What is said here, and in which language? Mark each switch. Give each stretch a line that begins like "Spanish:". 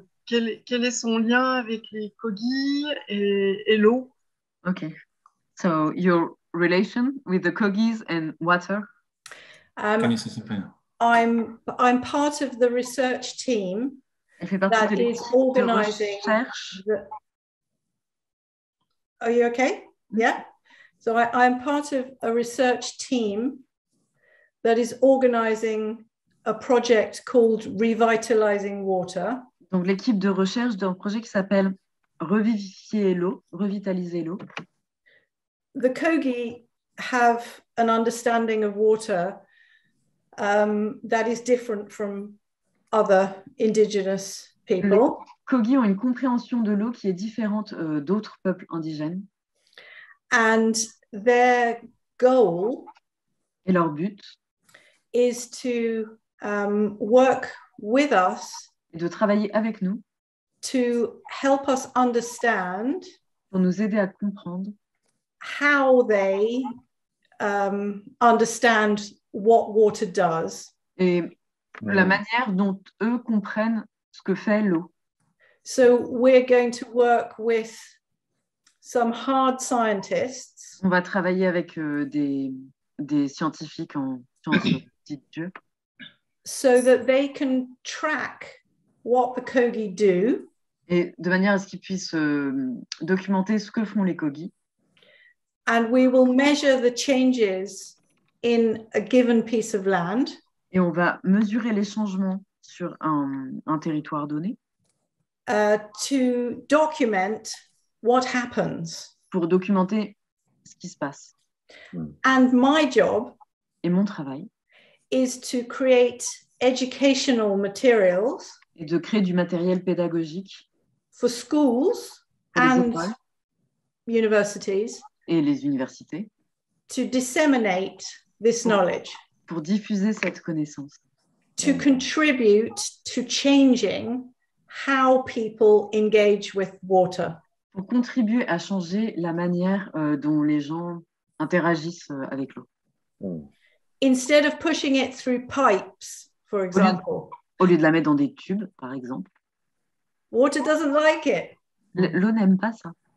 French: Quel est son lien avec les Kogi et l'eau? OK.
English: So, your relation with the Kogis and water? I'm part of the research team that is organizing. Are you okay? Yeah. So I'm part of a research team that is organizing a project called Revitalizing Water.
French: Donc l'équipe de recherche d'un projet qui s'appelle Revivifier l'eau, Revitaliser l'eau.
English: The Kogi have an understanding of water that is different from other indigenous people.
French: Les Kogi ont une compréhension de l'eau qui est différente d'autres peuples indigènes.
English: And their goal,
French: et leur but,
English: is to work with us,
French: de travailler avec nous,
English: to help us understand,
French: pour nous aider à comprendre,
English: how they understand what water does.
French: Et la manière dont eux comprennent ce que fait l'eau.
English: So we're going to work with some hard scientists.
French: On va travailler avec des scientifiques en sciences dures.
English: So that they can track what the Kogi do.
French: Et de manière à ce qu'ils puissent documenter ce que font les Kogi.
English: And we will measure the changes in a given piece of land.
French: Et on va mesurer les changements sur un territoire donné.
English: To document what happens.
French: Pour documenter ce qui se passe.
English: And my job,
French: et mon travail,
English: is to create educational materials,
French: et de créer du matériel pédagogique
English: for schools and universities,
French: et les universités,
English: to disseminate this knowledge,
French: pour diffuser cette connaissance,
English: to contribute to changing how people engage with water,
French: pour contribuer à changer la manière dont les gens interagissent avec l'eau.
English: Instead of pushing it through pipes, for example,
French: au lieu de la mettre dans des tubes, par exemple.
English: Water doesn't like it.
French: L'eau n'aime pas ça.